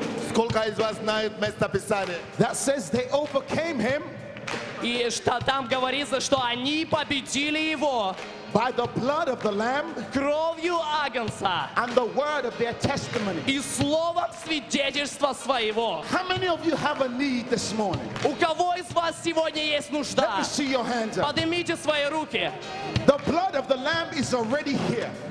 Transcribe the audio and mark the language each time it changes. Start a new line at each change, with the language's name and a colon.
Russian: Сколько из вас знают местописание?
English: That says they overcame him.
Russian: И что там говорится, что они победили его?
English: By the blood of the lamb.
Russian: Кровью агнца.
English: And the word of their testimony.
Russian: И словом свидетельства своего.
English: How many of you have a need this morning?
Russian: У кого из вас сегодня есть нужда?
English: Let me see your hands up.
Russian: Поднимите свои руки.
English: The blood of the lamb is already here.